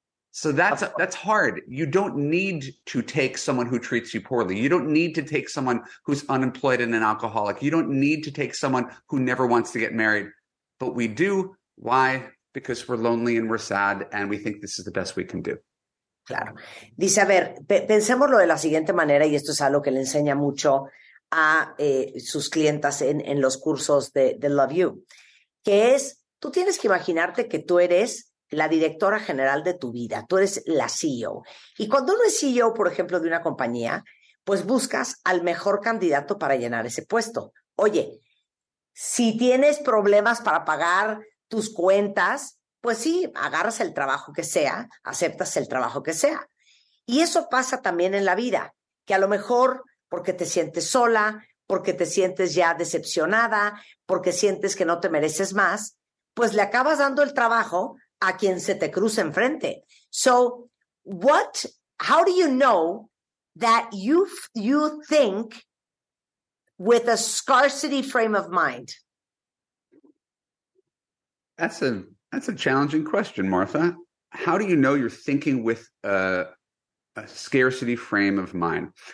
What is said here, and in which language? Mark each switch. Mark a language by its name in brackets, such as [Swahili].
[English] So that's hard. You don't need to take someone who treats you poorly. You don't need to take someone who's unemployed and an alcoholic. You don't need to take someone who never wants to get married. But we do. Why? Because we're lonely and we're sad and we think this is the best we can do. [Spanish] Claro. Dice, a ver, pensémoslo de la siguiente manera, y esto es algo que le enseña mucho a sus clientas en los cursos de Love You, que es, tú tienes que imaginarte que tú eres la directora general de tu vida, tú eres la CEO. Y cuando uno es CEO, por ejemplo, de una compañía, pues buscas al mejor candidato para llenar ese puesto. Oye, si tienes problemas para pagar tus cuentas, pues sí, agarras el trabajo que sea, aceptas el trabajo que sea. Y eso pasa también en la vida, que a lo mejor porque te sientes sola, porque te sientes ya decepcionada, porque sientes que no te mereces más, pues le acabas dando el trabajo a quien se te cruza enfrente. [English] So, what? How do you know that you think with a scarcity frame of mind? That's a challenging question, Martha. How do you know you're thinking with a scarcity frame of mind?